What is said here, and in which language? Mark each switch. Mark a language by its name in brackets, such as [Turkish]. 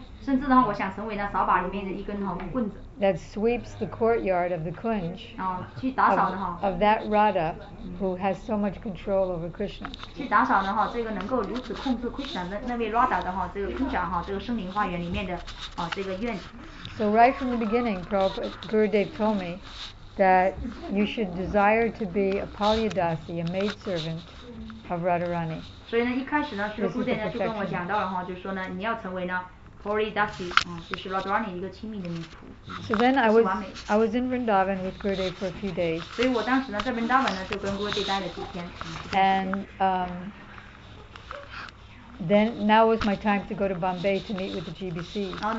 [Chinese] 甚至的话，我想成为那扫把里面的一根哈棍子。 [English] That sweeps the courtyard of the Kunj of that Radha who has so much control over Krishna. [Chinese] 去打扫的哈，这个能够如此控制 Krishna 那位 Radha 的哈，这个空想哈，这个森林花园里面的这个院子。 [English] So right from the beginning, Prabhupada Gurudev told me that you should desire to be a Palyadasi, a maidservant of Radharani. [Chinese] 所以呢，一开始呢，师父殿呢就跟我讲到了哈，就说呢，你要成为呢。 [English] So then I was in Vrindavan with Gurudev for a few days. So I was in Vrindavan with Gurudev for a few days. And then now was my time to go to Bombay to meet with the GBC.